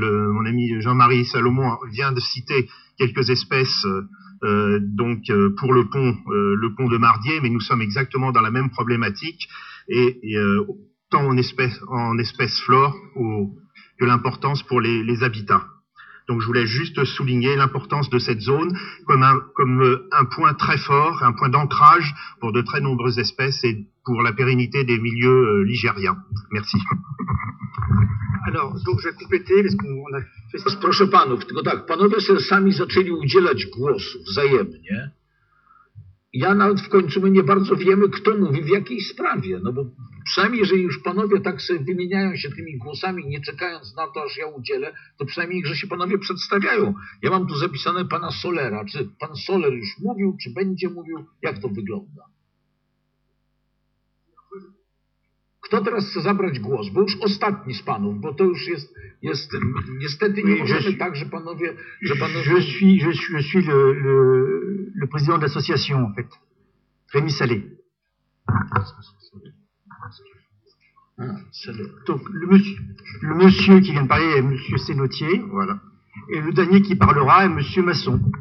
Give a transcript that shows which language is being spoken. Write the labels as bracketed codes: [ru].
[fr] Mon ami Jean-Marie Salomon vient de citer quelques espèces pour le pont de Mardier, mais nous sommes exactement dans la même problématique, tant en espèces flore que l'importance pour les habitats. Donc je voulais juste souligner l'importance de cette zone comme un point très fort, un point d'ancrage pour de très nombreuses espèces et pour la pérennité des milieux ligériens. Merci. Alors, donc je vais compléter, parce qu'on a fait... [pl] Proszę panów, tylko tak, panowie sobie sami zaczęli udzielać głosu wzajemnie. Ja nawet w końcu, my nie bardzo wiemy, kto mówi w jakiej sprawie, no bo przynajmniej, jeżeli już panowie tak sobie wymieniają się tymi głosami, nie czekając na to, aż ja udzielę, to przynajmniej, że się panowie przedstawiają. Ja mam tu zapisane pana Solera. Czy pan Soler już mówił, czy będzie mówił? Jak to wygląda? Kto teraz chce zabrać głos? Bo już ostatni z panów, bo to już jest niestety nie możemy tak, że panowie... [fr] Je suis le président de l'association, en fait. Rémi Salé. Donc le monsieur qui vient de parler est monsieur Sénotier, voilà. Et le dernier qui parlera est monsieur Masson.